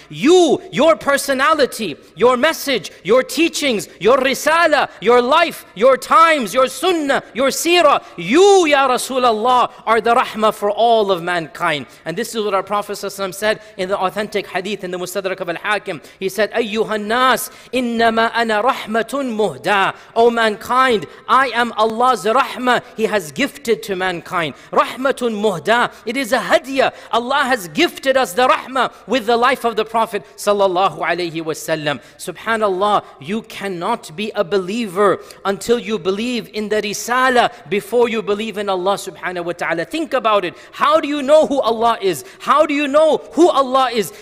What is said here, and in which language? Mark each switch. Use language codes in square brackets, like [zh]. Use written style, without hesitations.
[en] You, your personality, your message, your teachings, your risala, your life, your times, your sunnah, your seerah, you, Ya Rasulallah, are the rahmah for all of mankind. And this is what our Prophet ﷺ said in the authentic hadith in the Mustadrak of Al-Hakim. [ar] He said, أَيُّهَا النَّاسِ إِنَّمَا أَنَا رَحْمَةٌ مُهْدَى. [en] O mankind, I am Allah's rahmah he has gifted to mankind. Rahmatun muhda. It is a hadiyah. Allah has gifted us the rahmah with the life of the Prophet sallallahu alayhi wa sallam. Subhanallah, you cannot be a believer until you believe in the risala before you believe in Allah subhanahu wa ta'ala. Think about it. How do you know who Allah is? How do you know who Allah is.